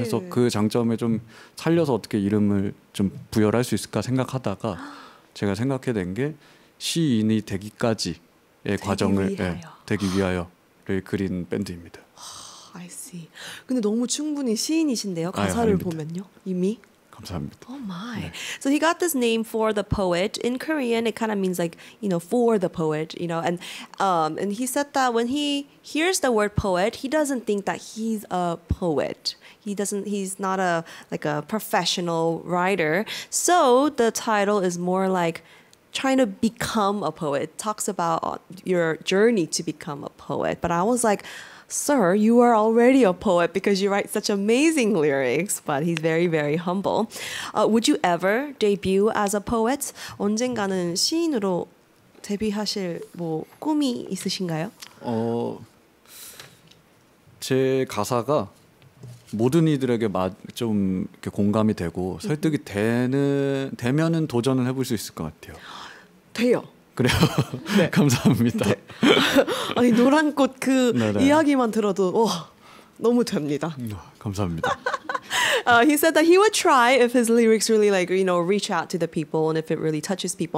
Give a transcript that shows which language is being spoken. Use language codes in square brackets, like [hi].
[ko] 해서 그 장점에 좀 살려서 어떻게 이름을 좀 부여할 수 있을까 생각하다가 제가 생각해 낸 게 시인이 되기까지의 되기 과정을 위하여. 네, 되기 위하여를 그린 밴드입니다. [en] I see. [ko] 근데 너무 충분히 시인이신데요. 가사를 보면요. 이미 감사합니다. [en] Oh my. [ko] 네. [en] So he got this name for the poet. In Korean, it kind of means like, you know, for the poet, you know. And he said that when he hears the word poet, he doesn't think that he's a poet. He's not a like a professional writer. So the title is more like trying to become a poet. It talks about your journey to become a poet. But I was like, Sir, you are already a poet because you write such amazing lyrics, but he's very, very humble. Would you ever debut as a poet? [ko] 언젠가는 시인으로 데뷔하실 뭐 꿈이 있으신가요? 제 가사가 모든 이들에게 좀 이렇게 공감이 되고 설득이 되면은 도전을 해볼 수 있을 것 같아요. 돼요. 그래요. 네. 감사합니다. 네. 아니 노란꽃 그 네네. 이야기만 들어도 너무 됩니다. 감사합니다. [en] He said that he would try if his lyrics really like you know reach out to the people and if it really touches people.